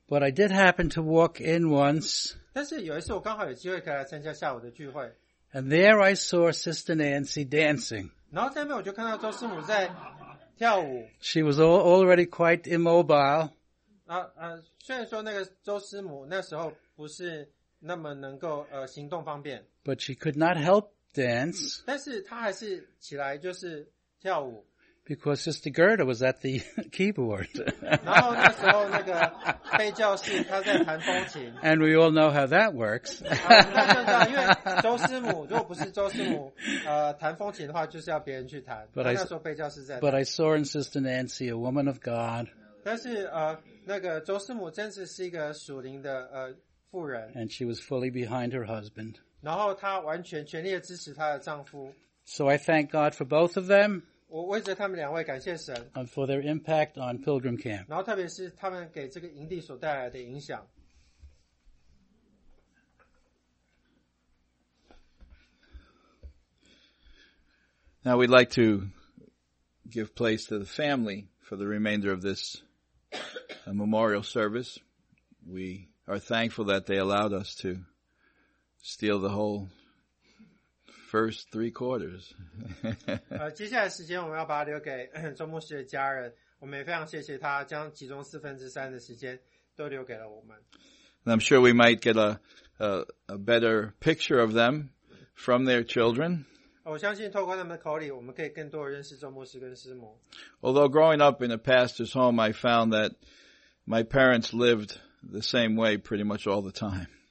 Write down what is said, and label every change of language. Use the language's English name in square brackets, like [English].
[English] But I did happen to walk in once. [Chinese] 但是有一次我刚好有机会可以来参加下午的聚会。 [English] And there I saw Sister Nancy dancing. [Chinese] 然后在那边我就看到周师母在跳舞。 [English] She was already quite immobile. [Chinese] 虽然说那个周师母那时候不是那么能够行动方便。 [English] But she could not help dance. [Chinese] 但是他还是起来就是跳舞。 [English] Because Sister Gerda was at the keyboard. And we all know how that works. But I saw in Sister Nancy a woman of God. [Chinese] 但是周师母真是是一个属灵的妇人。 [English] And she was fully behind her husband. [Chinese] 然后她完全全力地支持她的丈夫。 [English] So I thank God for both of them. [Chinese] 我为着他们两位感谢神。 [English] And for their impact on Pilgrim Camp. [Chinese] 然后特别是他们给这个营地所带来的影响。 [English] Now we'd like to give place to the family for the remainder of this a memorial service. We are thankful that they allowed us to steal the whole first three quarters. [Chinese] 接下来时间我们要把它留给周牧师的家人，我们也非常谢谢他将其中四分之三的时间都留给了我们。 [English] And I'm sure we might get a better picture of them from their children. [Chinese] 我相信透过他们的口里，我们可以更多认识周牧师跟师母。 [English] Although growing up in a pastor's home, I found that my parents lived the same way pretty much all the time.